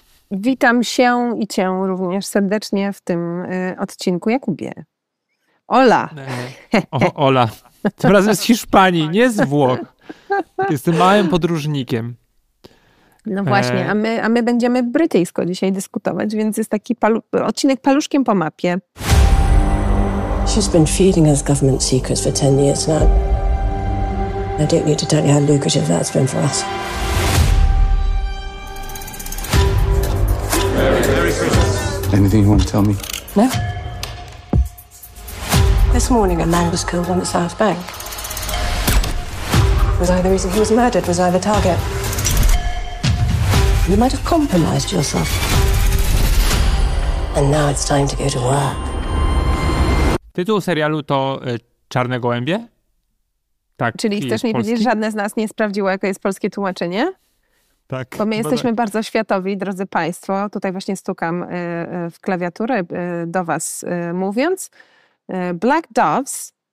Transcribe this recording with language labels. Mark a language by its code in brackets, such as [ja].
[pl] Witam się i Cię również serdecznie w tym odcinku, Jakubie. [es] Ola. Ola. [pl] Tym razem z Hiszpanii, nie z Włoch. Jestem małym podróżnikiem. No właśnie, a my będziemy brytyjsko dzisiaj dyskutować, więc jest taki odcinek paluszkiem po mapie. [en] She's been feeding us government secrets for 10 years now. I don't need to tell you how lucrative that's been for us. Anything you want to tell me? No. This morning a man was killed on the South Bank. Was I the reason he was murdered? Was I the target? You might have compromised yourself. And now it's time to go to work. [pl] Tytuł serialu to Czarne Gołębie? Tak. Czyli chcesz mi powiedzieć, że żadne z nas nie sprawdziło, jakie jest polskie tłumaczenie? Tak. Bo my jesteśmy bardzo światowi, drodzy Państwo. Tutaj właśnie stukam w klawiaturę do Was mówiąc. Black Doves.